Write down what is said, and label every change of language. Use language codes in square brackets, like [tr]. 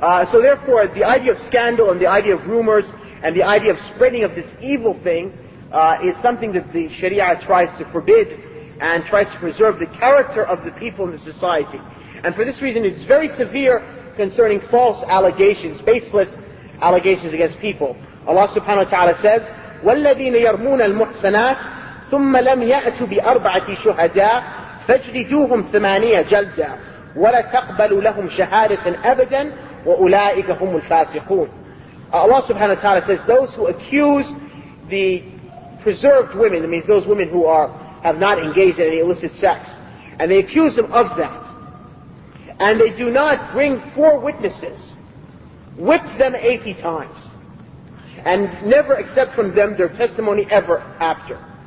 [en] So therefore, the idea of scandal and the idea of rumors and the idea of spreading of this evil thing is something that the Sharia tries to forbid and tries to preserve the character of the people in the society. And for this reason, it's very severe concerning false allegations, baseless allegations against people. Allah subhanahu wa ta'ala says, [ar] وَالَّذِينَ يَرْمُونَ الْمُحْسَنَاتِ ثُمَّ لَمْ يَأْتُوا بِأَرْبَعَةِ شُهَدَاءَ فَاجْرِدُوهُمْ ثَمَانِيَ جَلْدًا وَلَا تَقْبَلُوا لَهُمْ شَهَادَةً أَبَدًا وَأُولَٰئِكَ هُمُ الْفَاسِقُونَ. [en] Allah subhanahu wa ta'ala says, those who accuse the preserved women, that means those women who have not engaged in any illicit sex, and they accuse them of that, and they do not bring four witnesses, whip them 80 times, and never accept from them their testimony ever after.